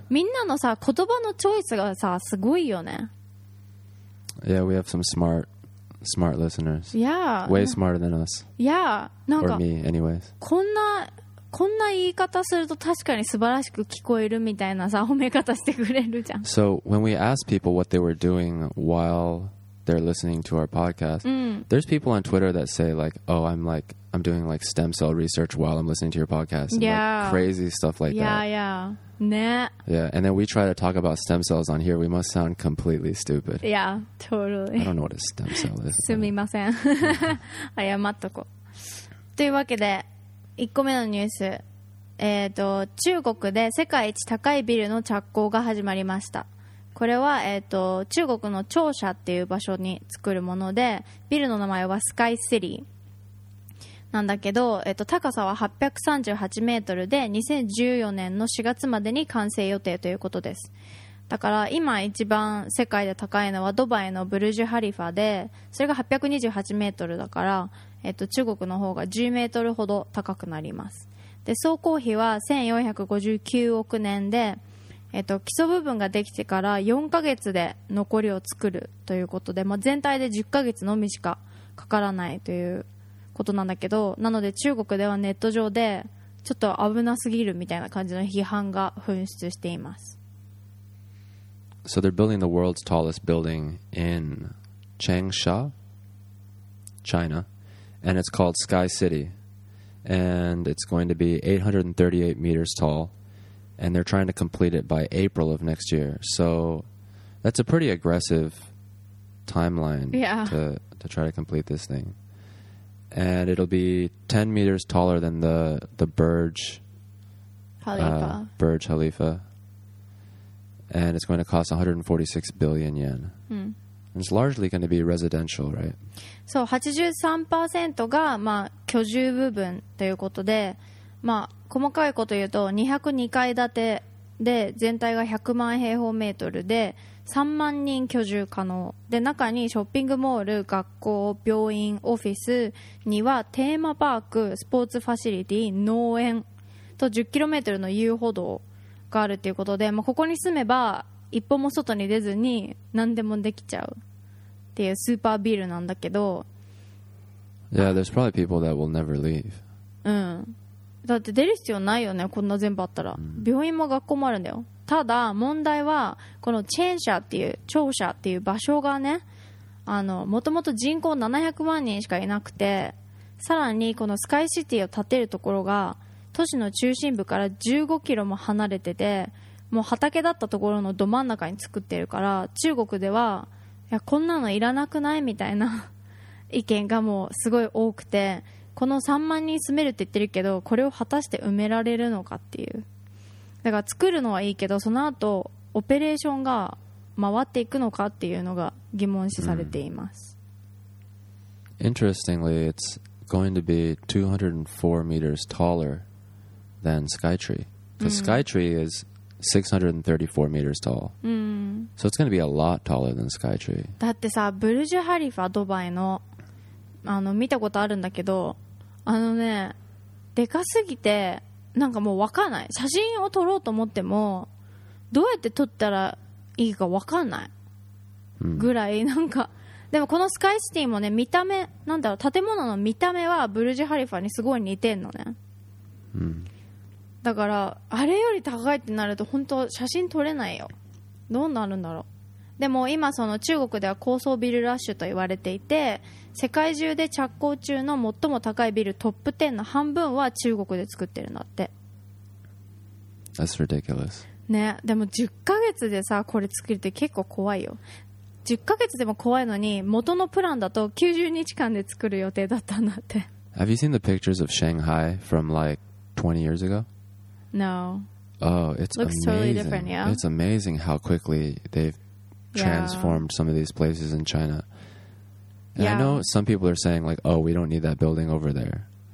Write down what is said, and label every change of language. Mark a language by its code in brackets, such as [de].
[ja] みんなのさ、言葉のチョイスがさ、すごいよね。 [en] Yeah, we have some smart listeners. Yeah, way smarter than us. Yeah, なんか or me anyways. [ja] こんな言い方すると確かに素晴らしく聞こえるみたいなさ、褒め方してくれるじゃん。 [en] So when we ask people what they were doing while they're listening to our podcast、うん、 there's people on Twitter that say like, oh, I'm doing like stem cell research while I'm listening to your podcast and、 yeah. like crazy stuff like yeah, that. Yeah, yeah. Ne. Yeah, and then we try to talk about stem cells on here. We must sound completely stupid. Yeah, totally. I don't know what a stem cell is. [ja] すみません。謝っとこ。というわけで、1個目のニュース、中国で世界一高いビルの着工が始まりました。これは、中国の庁舎っていう場所に作るもので、ビルの名前はスカイシリーなんだけど、高さは838メートルで2014年の4月までに完成予定ということです。だから今一番世界で高いのはドバイのブルジュハリファで、それが828メートルだから、中国の方が10メートルほど高くなります。で、総工費は1459億円で、基礎部分ができてから4ヶ月で残りを作るということで、まあ、全体で10ヶ月のみしかかからないということなんだけど、なので中国ではネット上でちょっと危なすぎるみたいな感じの批判が噴出しています。 [en] So they're building the world's tallest building in Changsha, China. And it's called Sky City. And it's going to be 838 meters tall. And they're trying to complete it by April of next year. So that's a pretty aggressive timeline、 yeah. to try to complete this thing. and it'll be 10 meters taller than the Burj Khalifa. Burj Khalifa. And it's going to cost 146 billion yen. Mm. And it's largely going to be residential, right? [ja] So 83% がまあ居住部分ということで、まあ細かいこと言うと202階建てで全体が100万平方メートルで3万人居住可能で、中にショッピングモール、学校、病院、オフィスにはテーマパーク、スポーツファシリティ、農園と 10km の遊歩道があるということで、まあ、ここに住めば一歩も外に出ずに何でもできちゃうっていうスーパービルなんだけど、 [en] Yeah, there's probably people that will never leave. [ja] うん、だって出る必要ないよね、こんな全部あったら。病院も学校もあるんだよ。ただ問題はこのチェンシャっていう庁舎っていう場所がね、あのもともと人口700万人しかいなくて、さらにこのスカイシティを建てるところが都市の中心部から15キロも離れてて、もう畑だったところのど真ん中に作ってるから、中国ではいやこんなのいらなくないみたいな意見がもうすごい多くて、この3万人住めるって言ってるけど、これを果たして埋められるのかっていう。だから作るのはいいけど、その後オペレーションが回っていくのかっていうのが疑問視されています。 [en] Mm. Interestingly, it's going to be 204 meters taller than Skytree. Because Skytree is 634 meters tall. So it's going to be a lot taller than Skytree. [ja] だってさ、ブルジュハリファ、ドバイの、あの見たことあるんだけど、あのね、でかすぎて、なんかもう分かんない。写真を撮ろうと思ってもどうやって撮ったらいいか分かんないぐらい、なんか、でもこのスカイシティもね、見た目なんだろう、建物の見た目はブルジュハリファにすごい似てんのね。だからあれより高いってなると本当写真撮れないよ。どうなるんだろう。でも今その中国では高層ビルラッシュと言われていて、世界中で着工中の最も高いビルトップ10の半分は中国で作ってるんだって。 [en] That's ridiculous. [ja] ね、でも10ヶ月でさこれ作るって結構怖いよ。 10ヶ月でも怖いのに、元のプランだと90日間で作る予定だったんだって。 [en] Have you seen the pictures of Shanghai from like 20 years ago? No. Oh, it's looks amazing. Totally different, yeah? It's amazing how quickly they've transformed some of these places in China. And I know some people are saying like, oh, we don't need that building over there.